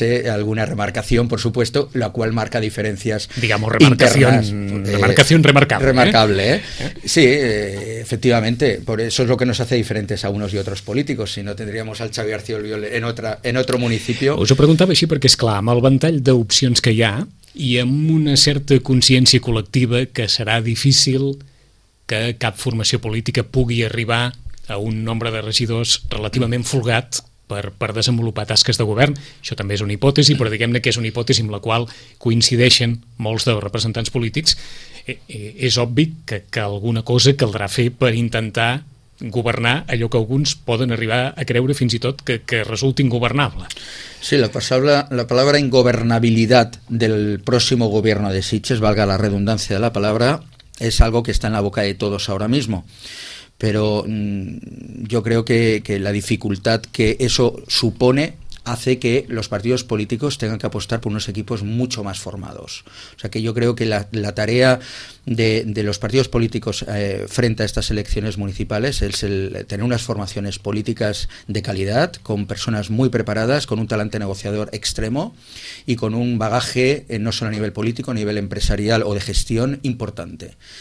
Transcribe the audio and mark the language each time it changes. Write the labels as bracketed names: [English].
[Spanish] alguna remarcación, por supuesto, la cual marca diferencias. Digamos, remarcación remarcable. Remarcable, ¿eh? Sí, efectivamente, por eso es lo que nos hace diferentes a unos y otros políticos. Si no, tendríamos al Xavi García Albiol en otro municipio. [Catalan] Us ho preguntava així perquè, esclar, amb el ventall d'opcions que hi ha, i amb una certa consciència col·lectiva que serà difícil que cap formació política pugui arribar a un nombre de regidors relativament folgat per desenvolupar tasques de govern. Això també és una hipòtesi, però diguem-ne que és una hipòtesi amb la qual coincideixen molts dels representants polítics. És obvi que alguna cosa caldrà fer per intentar governar allò que alguns poden arribar a creure fins i tot que resulti ingovernable. Sí, la paraula ingovernabilitat del pròxim govern de Sitges, valga la redundància de la paraula, és algo que està en la boca de tots [Spanish] ara mismo. Pero yo creo que la dificultad que eso supone hace que los partidos políticos tengan que apostar por unos equipos mucho más formados. O sea, que yo creo que la tarea de los partidos políticos frente a estas elecciones municipales es el tener unas formaciones políticas de calidad, con personas muy preparadas, con un talante negociador extremo y con un bagaje, no solo a nivel político, a nivel empresarial o de gestión, importante.